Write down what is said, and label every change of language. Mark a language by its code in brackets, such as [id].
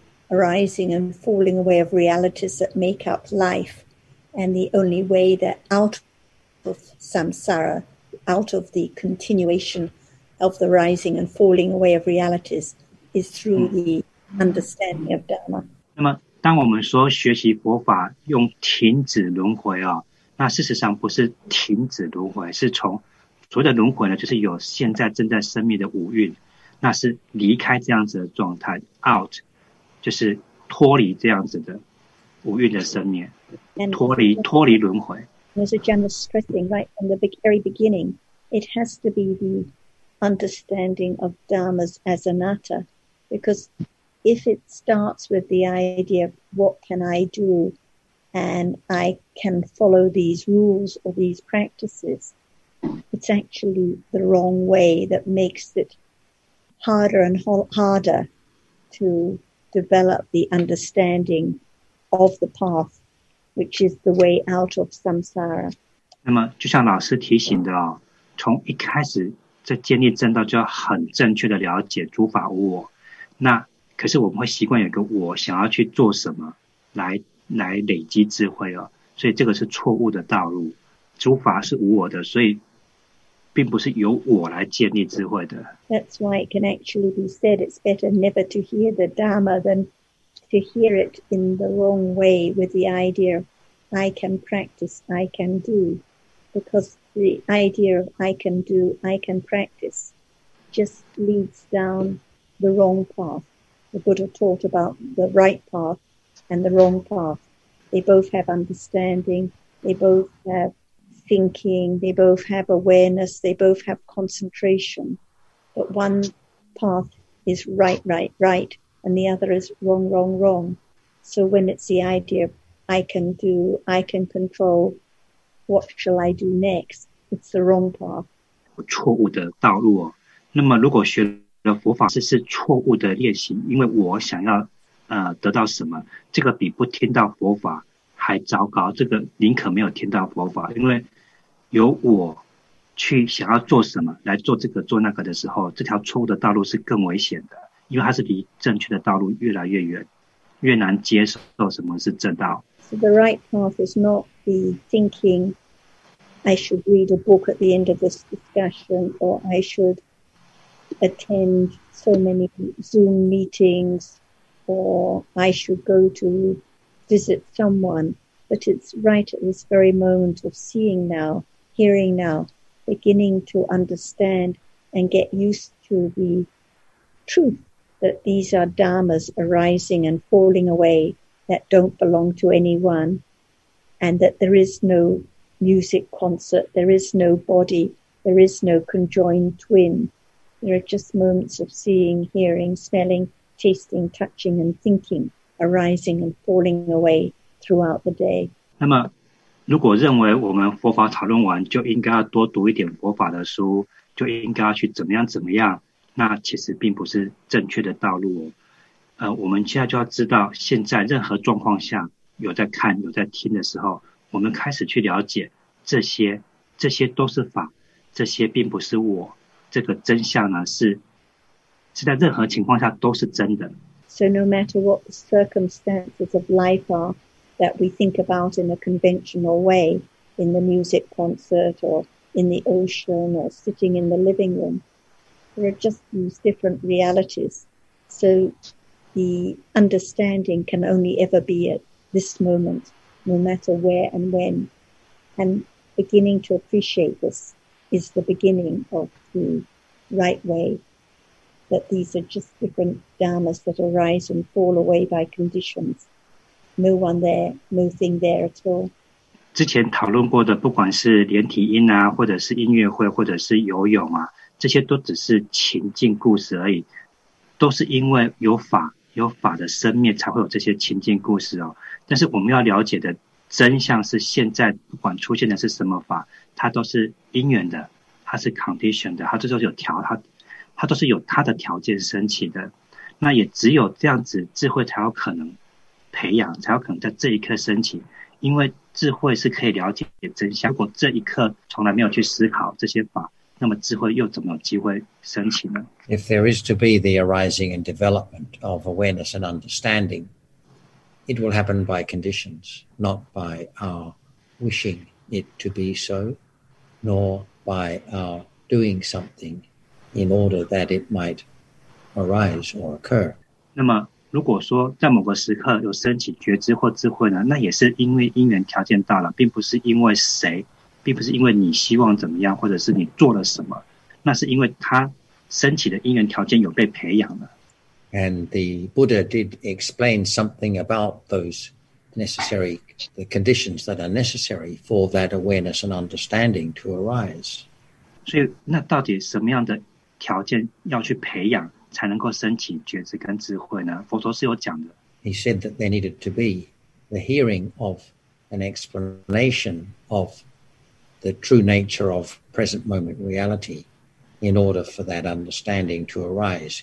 [en] arising and falling away of realities that make up life, and the only way that out of samsara, out of the continuation of the rising and falling away of realities, is through the understanding of Dharma. [zh] 那么当我们说学习佛法用停止轮回啊，那事实上不是停止轮回，是从所谓的轮回呢，就是有现在正在生命的五蕴，那是离开这样子的状态 ， [en] out， [zh] 就是脱离这样子的五蕴的生命，脱离轮回。 [en] As Jan was stressing right from the very beginning, it has to be the understanding of dharmas as anatta, because if it starts with the idea of what can I do, and I can follow these rules or these practices, it's actually the wrong way that makes it harder and harder to develop the understanding of the path, which is the way out of samsara. [zh] 那么就像老师提醒的哦，从一开始在建立正道就要很正确的了解诸法无我，那可是我们会习惯有一个我想要去做什么来累积智慧哦，所以这个是错误的道路。诸法是无我的，所以并不是由我来建立智慧的。 [en] That's why it can actually be said it's better never to hear the Dharma than to hear it in the wrong way with the idea of I can practice, I can do. Because the idea of I can do, I can practice just leads down the wrong path. The Buddha taught about the right path and the wrong path. They both have understanding, they both have thinking, they both have awareness, they both have concentration. But one path is right, right, right, and the other is wrong, wrong, wrong. So when it's the idea of I can do, I can control, what shall I do next? It's the wrong path. [zh] 错误的道路哦。那么如果学了佛法是错误的练习，因为我想要得到什么，这个比不听到佛法还糟糕，这个宁可没有听到佛法，因为由我去想要做什么来做这个做那个的时候，这条错误的道路是更危险的，因为它是离正确的道路越来越远，越难接受什么是正道。 [en] So the right path is not the thinking I should read a book at the end of this discussion, or I should attend so many Zoom meetings, or I should go to visit someone, but it's right at this very moment of seeing now, hearing now, beginning to understand and get used to the truth that these are dharmas arising and falling away that don't belong to anyone, and that there is no music concert, there is no body, there is no conjoined twin. There are just moments of seeing, hearing, smelling, tasting, touching and thinking. Arising and falling away throughout the day. [zh] 那么，如果认为我们佛法讨论完就应该要多读一点佛法的书，就应该要去怎么样怎么样，那其实并不是正确的道路。我们现在就要知道，现在任何状况下有在看、有在听的时候，我们开始去了解这些都是法，这些并不是我。这个真相呢，是在任何情况下都是真的。 [en] So no matter what the circumstances of life are that we think about in a conventional way, in the music concert or in the ocean or sitting in the living room, there are just these different realities. So the understanding can only ever be at this moment, no matter where and when. And beginning to appreciate this is the beginning of the right way. That these are just different dharmas that arise and fall away by conditions. No one there, no thing there at all. [zh] 之前讨论过的，不管是连体婴啊，或者是音乐会，或者是游泳啊，这些都只是情境故事而已，都是因为有法，有法的生灭才会有这些情境故事哦。但是我们要了解的真相是，现在不管出现的是什么法，它都是因缘的，它是 [en] condition [zh] 的，它都是有条，它都是有它的条件升起的。那也只有这样子，智慧才有可能培养，才有可能在这一刻升起。因为智慧是可以了解真相，如果这一刻从来没有去思考这些法，那么智慧又怎么有机会升起呢？ [en] If there is to be the arising and development of awareness and understanding, it will happen by conditions, not by our wishing it to be so, nor by our doing something in order that it might arise or occur. [zh] 那么如果说在某个时刻有升起觉知或智慧呢，那也是因为因缘条件到了，并不是因为谁，并不是因为你希望怎么样，或者是你做了什么，那是因为他升起的因缘条件有被培养了。 [en] And the Buddha did explain something about those necessary, the conditions that are necessary for that awareness and understanding to arise. [zh] 所以那到底什么样的条件要去培养才能够升起觉知跟智慧呢？佛陀是有讲的。 [en] He said that there needed to be the hearing of an explanation of the true nature of present moment reality in order for that understanding to arise.